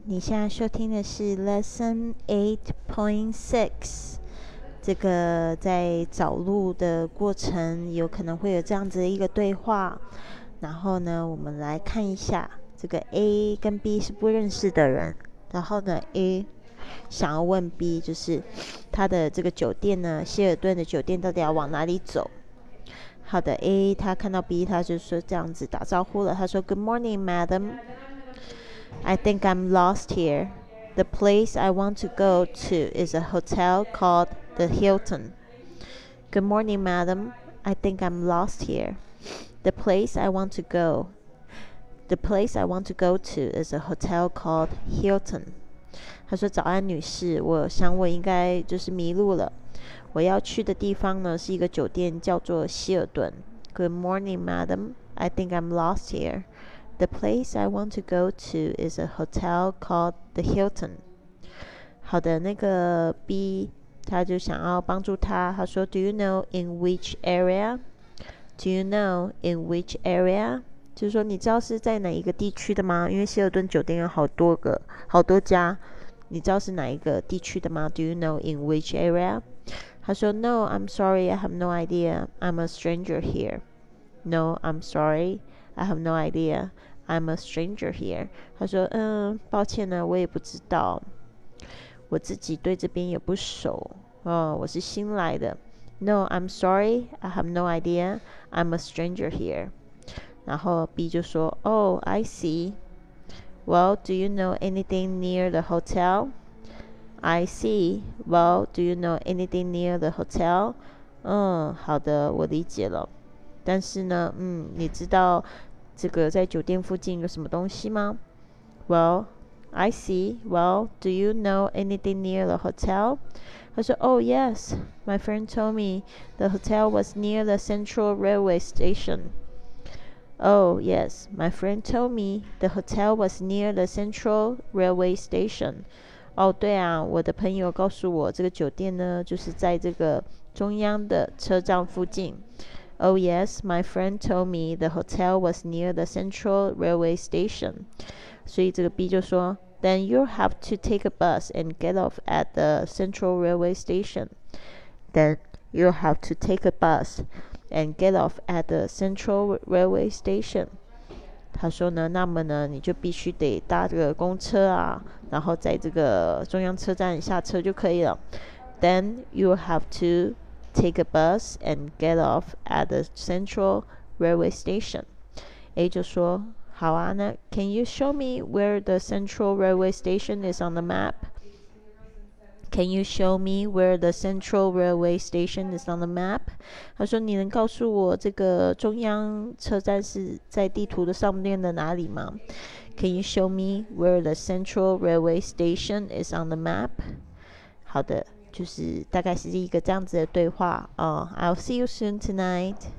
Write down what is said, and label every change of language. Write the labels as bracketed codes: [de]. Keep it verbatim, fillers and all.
[zh] 你现在收听的是 Lesson Eight Point Six。这个在找路的过程，有可能会有这样子的一个对话。然后呢，我们来看一下，这个 A 跟 B 是不认识的人。然后呢 ，A 想要问 B，就是他的这个酒店呢，希尔顿的酒店到底要往哪里走？好的 ，A 他看到 B，他就说这样子打招呼了，他说 [en] Good morning, Madam. I think I'm lost here. The place I want to go to is a hotel called the Hilton. Good morning, Madam. I think I'm lost here. The place I want to go. The place I want to go to is a hotel called Hilton. [zh] 他说：“早安，女士，我想我应该就是迷路了。我要去的地方呢是一个酒店，叫做希尔顿。 [en] Good morning, Madam. I think I'm lost here. The place I want to go to is a hotel called the Hilton.” [zh] 好的，那个 B 他就想要帮助他，他说 [en] Do you know in which area? Do you know in which area? [zh] 就是说你知道是在哪一个地区的吗？因为希尔顿酒店有好多个、好多家，你知道是哪一个地区的吗？ [en] Do you know in which area? [zh] 他说 [en] No, I'm sorry, I have no idea. I'm a stranger here. No, I'm sorry, I have no idea. I'm a stranger here. [zh] 他说嗯，抱歉呢，我也不知道。我自己对这边也不熟，哦，我是新来的。 [en] No, I'm sorry, I have no idea. I'm a stranger here. [zh] 然后 B 就说 [en] Oh, I see. Well, do you know anything near the hotel? I see. Well, do you know anything near the hotel? [zh] 嗯，好的，我理解了。但是呢，嗯，你知道这个在酒店附近有什么东西吗？ [en] Well, I see. Well, do you know anything near the hotel? [zh] 他说 [en] Oh, yes. My friend told me the hotel was near the Central Railway Station. Oh, yes. My friend told me the hotel was near the Central Railway Station. [zh] 哦，对啊，我的朋友告诉我，这个酒店呢，就是在这个中央的车站附近。 [en] Oh, yes. My friend told me the hotel was near the Central Railway Station. [zh] 所以这个 B 就说 [en] Then you'll have to take a bus and get off at the Central Railway Station. Then you'll have to take a bus and get off at the Central Railway Station. [zh] 他说呢，那么呢，你就必须得搭这个公车啊，然后在这个中央车站下车就可以了。 [en] Then you'll have to take a bus and get off at the Central Railway Station. A [zh] 就说好啊，那 [en] Can you show me where the Central Railway Station is on the map? Can you show me where the Central Railway Station is on the map? [zh] 他说你能告诉我这个中央车站是在地图的上面的哪里吗？ [en] Can you show me where the Central Railway Station is on the map? [zh] 好的，就是大概是一个这样子的对话啊。 [en] I'll see you soon tonight.